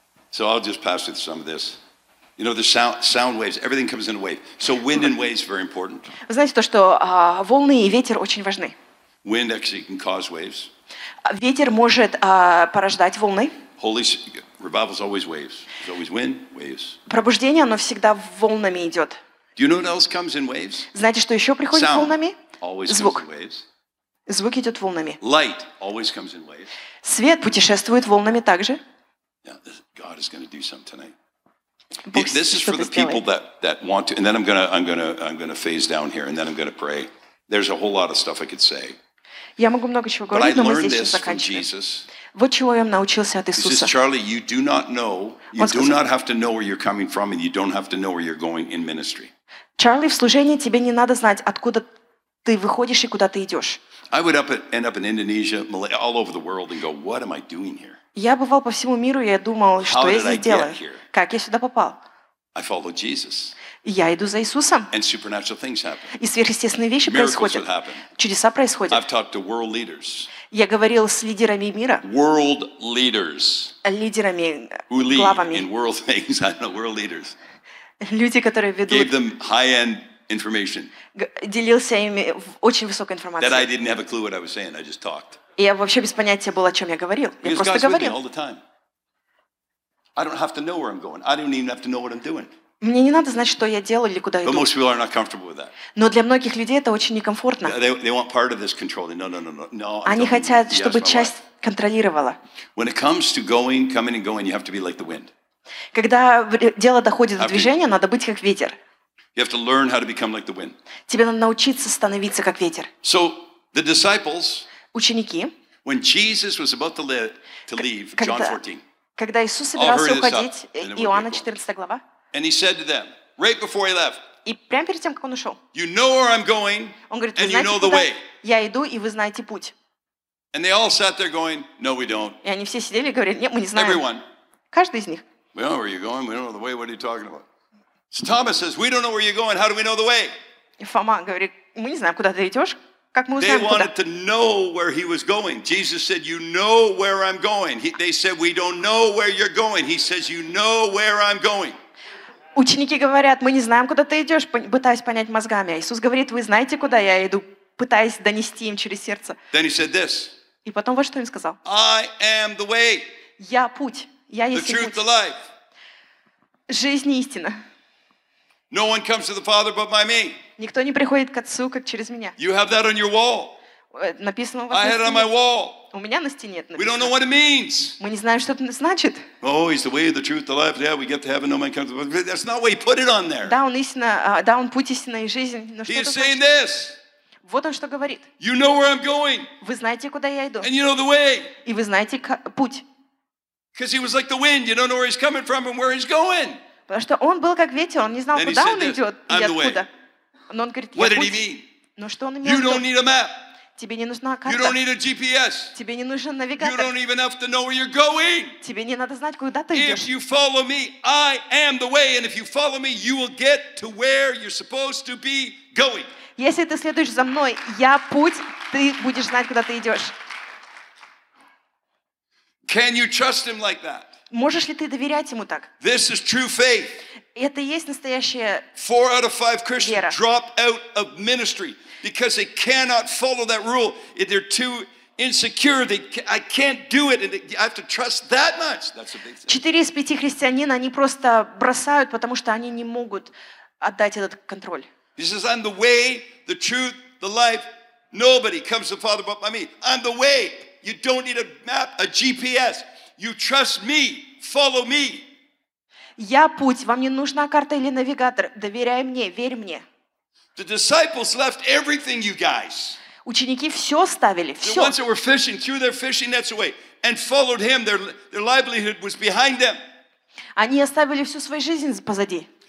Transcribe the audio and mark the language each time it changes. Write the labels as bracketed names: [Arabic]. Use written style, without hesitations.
[English] So I'll just pass with some of this. You know, the sound waves, everything comes in a wave. So wind and waves are very important. [Russian] Вы знаете то, что волны и ветер очень важны. [English] Wind actually can cause waves. [Russian] Ветер может порождать волны. [English] Holy revival is always waves. It's always wind, waves. [Russian] Пробуждение, оно всегда волнами идет. [English] Do you know what else comes in waves? [Russian] Знаете, что еще приходит [English] sound. [Russian] Волнами? [English] Always звук. Comes in waves. [Russian] Звук идет волнами. [English] Light always comes in waves. [Russian] Свет путешествует волнами также. [English] Yeah, God is going to do something tonight. This is for the people that want to, and then I'm gonna phase down here, and then I'm gonna pray. There's a whole lot of stuff I could say. [Russian] Я могу много чего говорить, но мы здесь сейчас заканчиваем. Вот чего я научился от Иисуса. [English] He says, Charlie, you do not know, you do not have to know where you're coming from, and you don't have to know where you're going in ministry. [Russian] Charlie, в служении тебе не надо знать, откуда ты выходишь и куда ты идешь. [English] I would end up in Indonesia, Malaysia, all over the world, and go, what am I doing here? [Russian] Я бывал по всему миру, и я думал, что я здесь делаю. Как я сюда попал? [English] I follow Jesus. [Russian] Я иду за Иисусом. [English] And supernatural things happen. [Russian] И сверхъестественные вещи [English] Miracles [Russian] происходят. [English] Would happen. [Russian] Чудеса происходят. [English] I've talked to world leaders. [Russian] Я говорил с лидерами мира. [English] World leaders. [Russian] Лидерами, [English] who lead [Russian] главами. [English] In world things. I know world leaders. [Russian] Люди, которые ведут. [English] Gave them high-end information. [Russian] Делился ими очень высокой информацией. [English] That I didn't have a clue what I was saying. I just talked. [Russian] Я вообще без понятия был, о чем я говорил. Я [English] Because [Russian] просто [English] God's [Russian] говорил. [English] All the time. I don't have to know where I'm going. I don't even have to know what I'm doing. [Russian] Мне не надо знать, что я делаю или куда [English] But [Russian] иду. [English] Most people are not comfortable with that. [Russian] Но для многих людей это очень некомфортно. [English] They want part of this control. No. [Russian] Они хотят, чтобы часть контролировала. [English] When it comes to going, coming and going, you have to be like the wind. [Russian] Когда дело доходит до движения, надо быть как ветер. [English] You have to learn how to become like the wind. [Russian] Тебе надо научиться становиться как ветер. [English] So the disciples. [Russian] Ученики. [English] When Jesus was about to leave, John 14. [Russian] Когда Иисус собирался уходить, Иоанна 14 глава. [English] And he said to them, right before he left. [Russian] И прямо перед тем, как он ушел. [English] You know where I'm going. [Russian] Он говорит, [English] and you know the way. [Russian] Я иду, и вы знаете путь. [English] And they all sat there going, no, we don't. [Russian] И они все сидели и говорили, нет, мы не знаем. [English] Everyone. [Russian] Каждый из них. [English] We know where you're going. We don't know the way. What are you talking about? So Thomas says, we don't know where you're going. How do we know the way? [Russian] И Фома говорит, мы не знаем, куда ты идешь. [English] They wanted to know where he was going. Jesus said, you know where I'm going. They said, we don't know where you're going. He says, you know where I'm going. [Russian] Ученики говорят, мы не знаем, куда ты идешь, пытаясь понять мозгами. Иисус говорит, вы знаете, куда я иду, пытаясь донести им через сердце. [English] Then he said this. [Russian] И потом вот что он сказал. [English] I am the way. [Russian] Я путь. Я есть путь. [English] The truth, the life. [Russian] Жизнь и истина. [English] No one comes to the Father but by me. [Russian] Никто не приходит к Отцу, как через меня. [English] You have that on your wall. [Russian] Написано [English] I had it on my wall. [Russian] У меня на стене это написано. [English] We don't know what it means. [Russian] Мы не знаем, что это значит. [English] Oh, he's the way, the truth, the life. Yeah, we get to heaven, no man comes to the That's not why he put it on there. [Russian] Да, он истина, да, он путь, истина и жизнь. Но [English] he is saying this. [Russian] Вот он что говорит. [English] You know where I'm going. [Russian] Вы знаете, куда я иду. [English] And you know the way. [Russian] И вы знаете путь. [English] Because he was like the wind. You don't know where he's coming from and where he's going. [Russian] Потому что он был как ветер, он не знал, [English] then [Russian] куда он идет и откуда. Но он говорит, [English] What did he mean? [Russian] Но что он имел [English] You don't need a map. [Russian] Тебе не нужна карта. [English] You don't need a GPS. [Russian] Тебе не нужен навигатор. [English] You don't even have to know where you're going. [Russian] Тебе не надо знать, куда ты идешь. [English] If you follow me, I am the way, and if you follow me, you will get to where you're supposed to be going. [Russian] Если ты следуешь за мной, я путь, ты будешь знать, куда ты идешь. [English] Can you trust him like that? [Russian] Можешь ли ты доверять ему так? [English] This is true faith. [Russian] Это есть настоящая вера. [English] 4 out of 5 Christians drop out of ministry because they cannot follow that rule. They're too insecure. I can't do it, and I have to trust that much. That's a big thing. [Russian] 4 из 5 христианин они просто бросают, потому что они не могут отдать этот контроль. [English] He says, "I'm the way, the truth, the life. Nobody comes to the Father but by me. I'm the way. You don't need a map, a GPS." You trust me, follow me. [Russian] Я путь, вам не нужна карта или навигатор. Доверяй мне, верь мне. [English] The disciples left everything, you guys. [Russian] Ученики все ставили, все. [English] The ones that were fishing threw their fishing nets away and followed him. Their livelihood was behind them. [Russian] Они оставили всю свою жизнь позади.